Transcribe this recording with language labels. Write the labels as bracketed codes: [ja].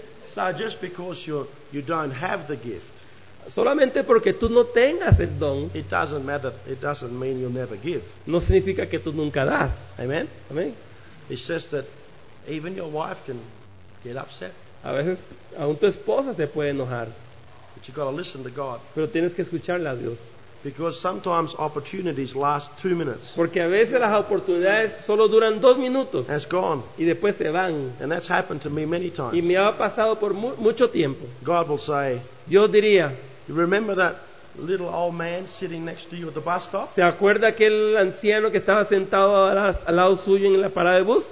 [en] So just because you don't have the gift. [es] Solamente porque tú no tengas el don. [en] It doesn't matter. It doesn't mean you'll never give. [es] No significa que tú nunca das. [en] Amen. [es] Amen. [en] It's just that even your wife can get upset. [es] A veces, aun tu esposa se puede enojar. [en] But you got to listen to God. [es] Pero tienes que escucharle a Dios. [en] Because sometimes opportunities last 2 minutes. [es] Porque a veces las oportunidades solo duran 2 minutos. [en] It's gone. [es] Y después se van. [en] And that's happened to me many times. [es] Y me ha pasado por mucho tiempo. [en] God will say. [es] Dios diría. [en] You remember that little old man sitting next to you at the bus stop? [es] ¿Se acuerda aquel anciano que estaba sentado al lado suyo en la parada de bus?